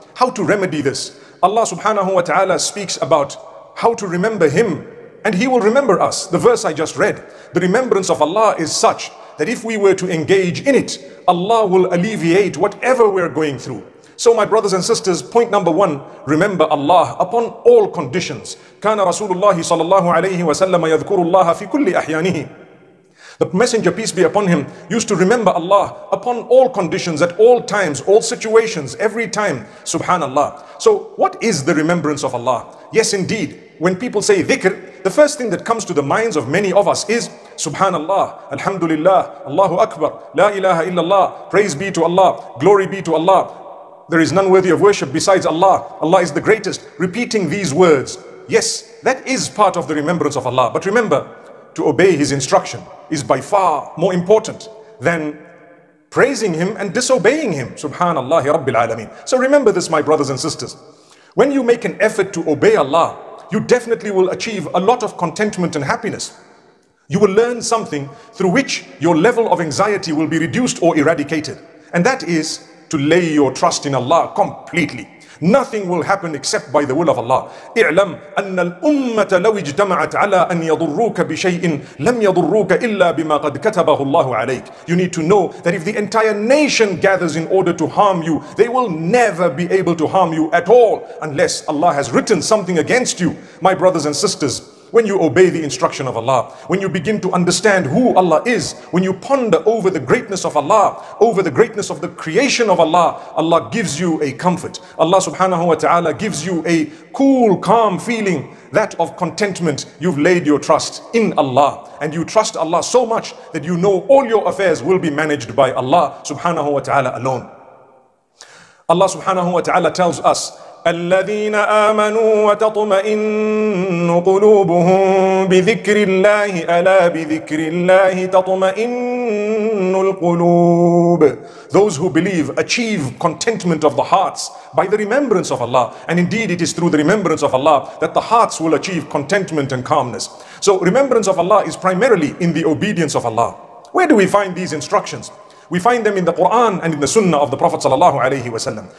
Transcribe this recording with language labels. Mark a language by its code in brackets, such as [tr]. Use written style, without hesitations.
[en] How to remedy this? Allah subhanahu wa ta'ala speaks about how to remember him, and he will remember us. The verse I just read, the remembrance of Allah is such that if we were to engage in it, Allah will alleviate whatever we're going through. So my brothers and sisters, point number one, remember Allah upon all conditions. [ar] كان رسول الله صلى الله عليه وسلم يذكر الله في كل أحيانه. [en] The Messenger, peace be upon him, used to remember Allah upon all conditions, at all times, all situations, every time. Subhanallah. So what is the remembrance of Allah? Yes, indeed. When people say dhikr, the first thing that comes to the minds of many of us is Subhanallah, Alhamdulillah, Allahu Akbar, La ilaha illallah, praise be to Allah, glory be to Allah. There is none worthy of worship besides Allah. Allah is the greatest. Repeating these words. Yes, that is part of the remembrance of Allah. But remember, to obey his instruction is by far more important than praising him and disobeying him. Subhanallah Rabbil Alameen. So remember this, my brothers and sisters. When you make an effort to obey Allah, you definitely will achieve a lot of contentment and happiness. You will learn something through which your level of anxiety will be reduced or eradicated. And that is to lay your trust in Allah completely. Nothing will happen except by the will of Allah. [ar] اعلم أن الأمة لو اجتمعت على أن يضروك بشيء لم يضروك إلا بما قد كتبه الله عليك. [en] You need to know that if the entire nation gathers in order to harm you, they will never be able to harm you at all unless Allah has written something against you. My brothers and sisters, when you obey the instruction of Allah, when you begin to understand who Allah is, when you ponder over the greatness of Allah, over the greatness of the creation of Allah, Allah gives you a comfort. Allah subhanahu wa ta'ala gives you a cool, calm feeling, that of contentment. You've laid your trust in Allah, and you trust Allah so much that you know all your affairs will be managed by Allah subhanahu wa ta'ala alone. Allah subhanahu wa ta'ala tells us, [ar] الذين آمنوا وتطمئن قلوبهم بذكر الله ألا بذكر الله تطمئن القلوب. [en] Those who believe achieve contentment of the hearts by the remembrance of Allah. And indeed it is through the remembrance of Allah that the hearts will achieve contentment and calmness. So remembrance of Allah is primarily in the obedience of Allah. Where do we find these instructions? We find them in the Quran and in the Sunnah of the Prophet sallallahu alaihi wasallam.